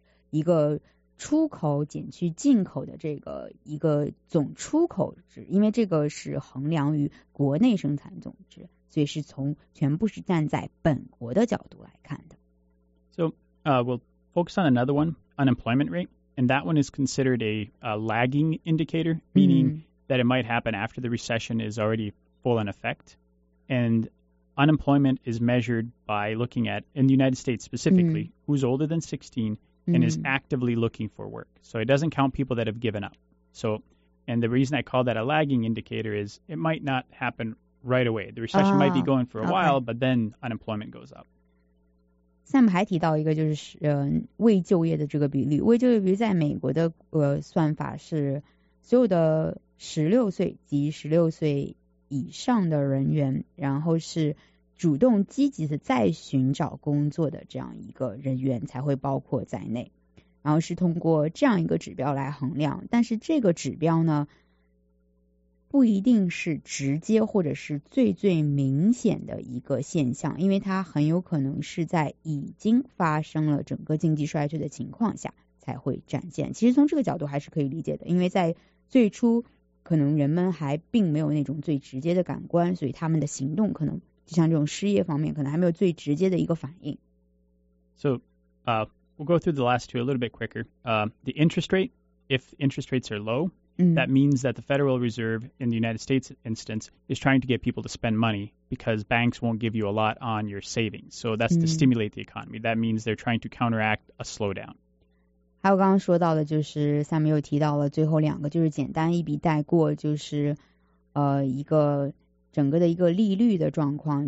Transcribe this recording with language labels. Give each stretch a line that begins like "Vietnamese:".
Chinese: 一个出口减去进口的这个一个总出口值，因为这个是衡量于国内生产总值，所以是从全部是站在本国的角度来看的。
English: So, we'll focus on another one, unemployment rate. And that one is considered a lagging indicator, meaning that it might happen after the recession is already full in effect. And unemployment is measured by looking at, in the United States specifically, who's older than 16 and is actively looking for work. So it doesn't count people that have given up. So, and the reason I call that a lagging indicator is it might not happen right away. The recession might be going for a while, but then unemployment goes up.
Chinese: Sam 还提到一个就是未就业的这个比例，未就业比例在美国的算法是所有的16岁及16岁以上的人员，然后是主动积极的在寻找工作的这样一个人员才会包括在内，然后是通过这样一个指标来衡量，但是这个指标呢不一定是直接或者是最最明显的一个现象，因为它很有可能是在已经发生了整个经济衰退的情况下才会展现。其实从这个角度还是可以理解的，因为在最初可能人们还并没有那种最直接的感官，所以他们的行动可能就像这种失业方面可能还没有最直接的一个反应。
English: So we'll go through the last two a little bit quicker. The interest rate, if interest rates are lowThat means that the Federal Reserve, in the United States instance, is trying to get people to spend money because banks won't give you a lot on your savings. So that's to stimulate the economy. That means they're trying to counteract a slowdown.
Chinese: 还有刚刚说到的就是 Sam 又提到了最后两个就是简单一笔带过就是一个整个的一个利率的状况。